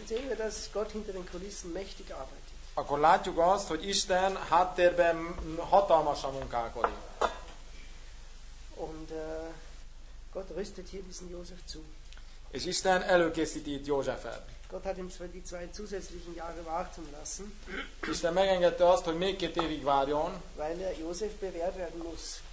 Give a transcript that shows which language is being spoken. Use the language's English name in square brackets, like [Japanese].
[German] sehen wir, dass Gott hinter den Kulissen mächtig arbeitet. [Hungarian] Akkor látjuk azt, hogy Isten háttérben hatalmasan munkálkodik. [German] Und Gott rüstet hier diesen Josef zu. [Hungarian] És Isten előkészíti itt Józsefet. [German] Gott hat ihm die zwei zusätzlichen Jahre warten lassen. [Hungarian] Isten megengedte azt, hogy még két évig várjon. [German] Weil er Josef bewährt werden muss.